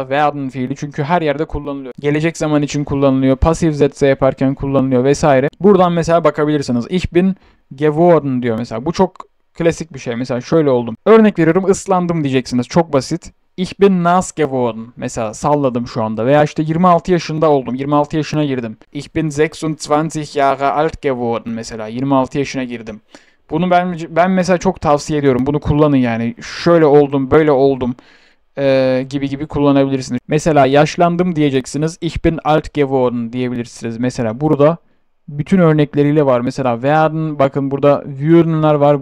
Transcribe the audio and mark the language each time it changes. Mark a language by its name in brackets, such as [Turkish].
[Turkish] Werden fiili, çünkü her yerde kullanılıyor. Gelecek zaman için kullanılıyor. Passive Sätze yaparken kullanılıyor vesaire. Buradan mesela bakabilirsiniz. [German] Ich bin geworden [Turkish] diyor mesela. Bu çok klasik bir şey. Mesela şöyle oldum. Örnek veriyorum, ıslandım diyeceksiniz. Çok basit. [German] Ich bin nass geworden. [Turkish] Mesela salladım şu anda. Veya işte 26 yaşında oldum. 26 yaşına girdim. [German] Ich bin 26 Jahre alt geworden. [Turkish] Mesela 26 yaşına girdim. Bunu ben mesela çok tavsiye ediyorum. Bunu kullanın yani. Şöyle oldum, böyle oldum gibi gibi kullanabilirsiniz. Mesela yaşlandım diyeceksiniz. [German] Ich bin alt geworden [Turkish] diyebilirsiniz. Mesela burada bütün örnekleriyle var. Mesela werden, bakın burada würden'lar var.